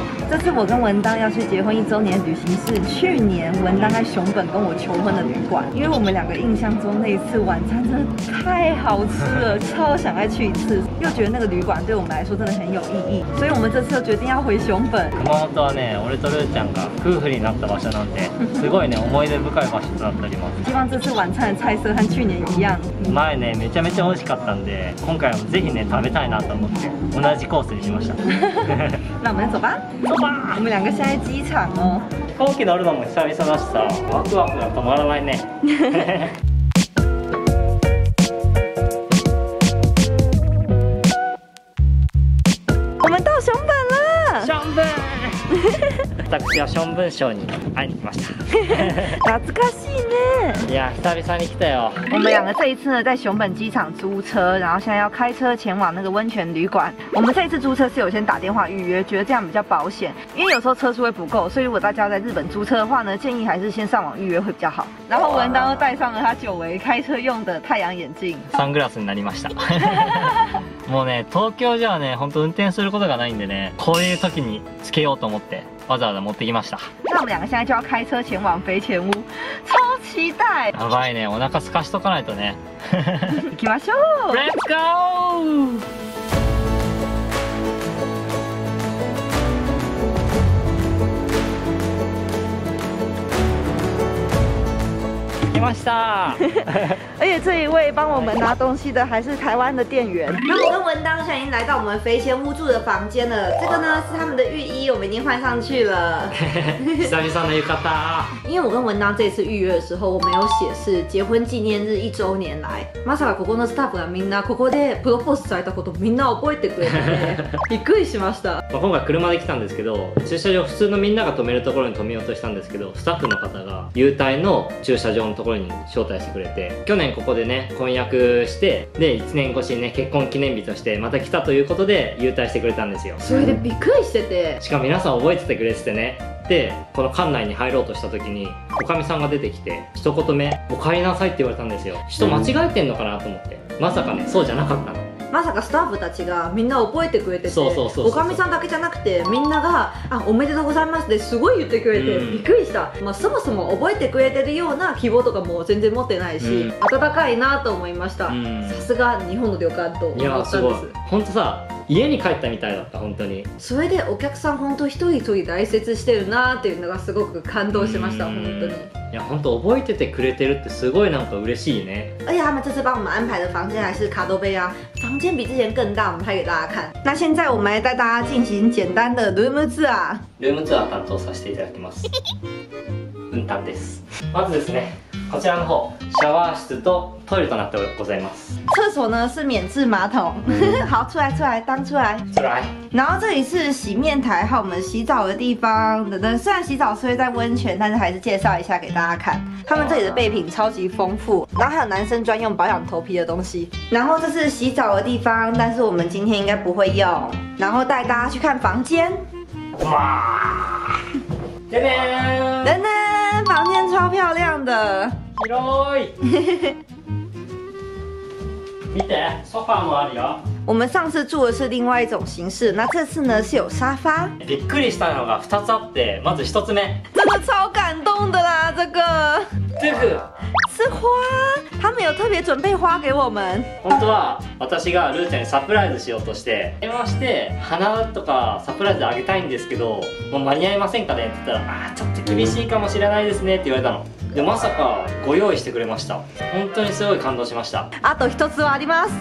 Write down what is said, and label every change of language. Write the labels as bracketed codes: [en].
[zh] 这次我跟文当要去结婚一周年旅行，是去年文当在熊本跟我求婚的旅馆，因为我们两个印象中那一次晚餐真的太好吃了，超想再去一次，又觉得那个旅馆对我们来说真的很有意义，所以我们这次决定要回熊本。 [ja] 熊本はね、俺とルーちゃんが夫婦になった場所なんで、すごいね思い出深い場所となっております。 [zh] 希望这次晚餐的菜色和去年一样。 [ja] 前ね、めちゃめちゃ美味しかったんで、今回もぜひね食べたいなと思って同じコースにしました。 [zh] 那我们走吧。我们两个现在机场哦， [ja] 飞机乗るのも久々だしさ、ワクワクが止まらないね。 [zh] 我们到熊本了， [ja] 熊本。私は熊本省に会いに来ました。懐かしいね。いや、久々に来たよ。 [zh] 我们两个这一次呢，在熊本机场租车，然后现在要开车前往那个温泉旅馆。我们这一次租车是有先打电话预约，觉得这样比较保险，因为有时候车速会不够，所以如果大家在日本租车的话呢，建议还是先上网预约会比较好。然后文当又戴上了他久违开车用的太阳眼镜。 [ja] サングラスになりました。もうね、東京じゃね、本当運転することがないんでね、こういう時につけようと思って。わざわざ持ってきました。 [zh] 那我们两个现在就要开车前往肥前屋，超期待。 [ja] やばいね、お腹空かしとかないとね。行きましょう。 [en] Let's go。 [ja] 行きました。 [zh] 而且这一位帮我们拿东西的还是台湾的店员。文当现在已经来到我们肥前屋住的房间了，这个呢是他们的浴衣，我们已经换上去了。久々的浴衣。因为我跟文当这次预约的时候，我没有写是结婚纪念日一周年来。 [ja] まさかここのスタッフがみんなここでプロポーズされたことみんな覚えてくれて、びっくりしました。今回車で来たんですけど、駐車場普通のみんなが止めるところに止めようとしたんですけど、スタッフの方が優待の駐車場のところに招待してくれて、去年ここでね婚約して、で1年越しにね結婚記念日としてまた来たということで優待してくれたんですよ。それでびっくりしてて、しかも皆さん覚えててくれててね。でこの館内に入ろうとした時に、おかみさんが出てきて一言目お帰りなさいって言われたんですよ。人間違えてんのかなと思って、まさかねそうじゃなかったの。まさかスタッフたちがみんな覚えてくれてて、そうそうそうそう、おかみさんだけじゃなくてみんなが、あおめでとうございますってすごい言ってくれて、うん、びっくりした。まあ、そもそも覚えてくれてるような希望とかも全然持ってないし、うん、温かいなと思いました。さすが日本の旅館と思ったんです。いやすごい、本当さ家に帰ったみたいだった。本当にそれでお客さん本当一人一人大切してるなっていうのがすごく感動しました。本当に、いや本当覚えててくれてるってすごいなんか嬉しいね。 [zh] 而且他们这次帮我们安排的房间还是卡多贝啊，房间比之前更大，我们拍给大家看。那现在我们来带大家进行简单的ルームツアー。 [ja] ルームツアー担当させていただきます。運担です。まずですね、こちらの方シャワー室とトイレとなってございます。 [zh] 厕所呢是免治马桶。好，出来出来，当出来出来。然后这里是洗面台和我们洗澡的地方。等等，虽然洗澡是会在温泉，但是还是介绍一下给大家看。他们这里的备品超级丰富，然后还有男生专用保养头皮的东西。然后这是洗澡的地方，但是我们今天应该不会用。然后带大家去看房间。哇！这边等等，房间超漂亮的。 [ja] 見て、ソファーもあるよ。 [zh] 我们上次住的是另外一种形式，那这次呢是有沙发。 [ja] びっくりしたのが二つあって、まず一つ目。 [zh] 真的超感动的啦，这个。这个。是花，他们有特别准备花给我们。 [ja] 本当は私がルーちゃんにサプライズしようとして電話して花とかサプライズあげたいんですけど、もう間に合いませんかねって言ったら、あちょっと厳しいかもしれないですねって言われたの。でまさかご用意してくれました。本当にすごい感動しました。あと一つはあります。